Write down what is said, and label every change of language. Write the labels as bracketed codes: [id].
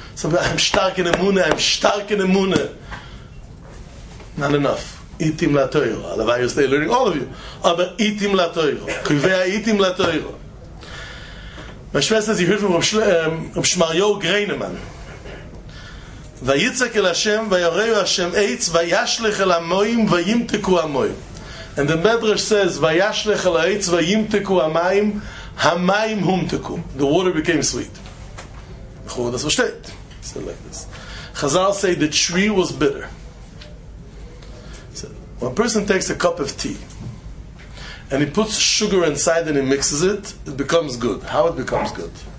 [en] So I'm stark in emunah, I'm stark in emunah. Not enough. [he] Itim la toiro. [en] Alavai, you stay learning, all of you. Aber [he] itim la toiro. Kuvea itim la toiro. [en] My shvet says, you heard from Shmaryo Greinemann. [he] ויצק אל השם ויראו השם עץ וישלך אל המים וימתקו המים. [en] And the Medrash says [he] וישלך אל העץ וימתקו המים, המים הומתקו. [en] The water became sweet. That's what it said like this. Chazal say the tree was bitter. So when a person takes a cup of tea and he puts sugar inside and he mixes it, it becomes good. How it becomes good?